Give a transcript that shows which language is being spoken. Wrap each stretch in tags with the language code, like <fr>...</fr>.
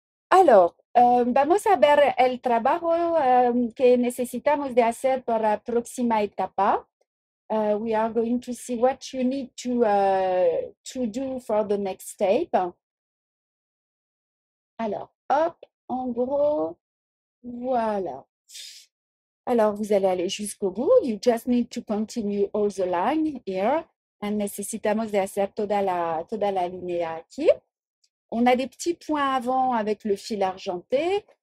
<es>Alors, vamos a ver el trabajo que necesitamos de hacer para la próxima etapa.</es> <en>We are going to see what you need to do for the next step.</en> <fr>Alors, hop, en gros, voilà. Alors, vous allez aller jusqu'au bout.</fr> <en>You just need to continue all the line here.</en> <es>Necesitamos de hacer toda la línea aquí.</es> <fr>On a des petits points avant avec le fil argenté.</fr>